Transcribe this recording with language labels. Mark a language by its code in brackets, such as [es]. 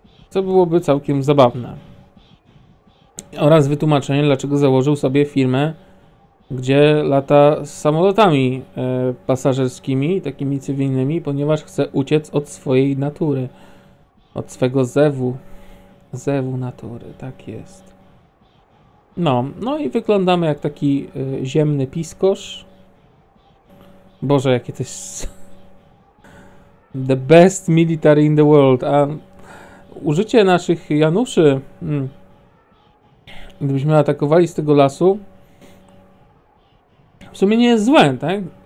[pl] Co byłoby całkiem zabawne. Oraz wytłumaczenie, dlaczego założył sobie firmę, gdzie lata z samolotami pasażerskimi, takimi cywilnymi, ponieważ chce uciec od swojej natury. Od swego zewu. Zewu natury, tak jest. No i wyglądamy jak taki ziemny piskorz. Boże, jakie to jest... [en] The best military in the world. [pl] A użycie naszych Januszy... gdybyśmy atakowali z tego lasu, w sumie nie jest złe, tak?